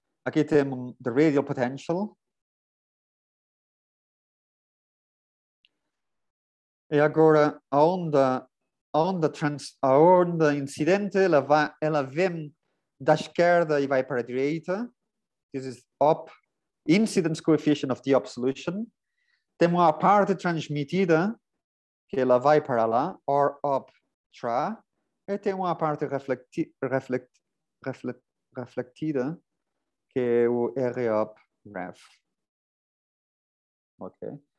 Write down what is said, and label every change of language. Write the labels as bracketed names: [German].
[Portuguese] Aqui temos [English] the radial potential. [Portuguese] E agora a onda incidente, ela vem da esquerda e vai para a direita. [English] This is up, incidence coefficient of the up solution. [Portuguese] Temos a parte transmitida, que ela vai para lá, [English] or up, [Portuguese] tra. E temos a parte refletida, que é o R up, ref. Ok.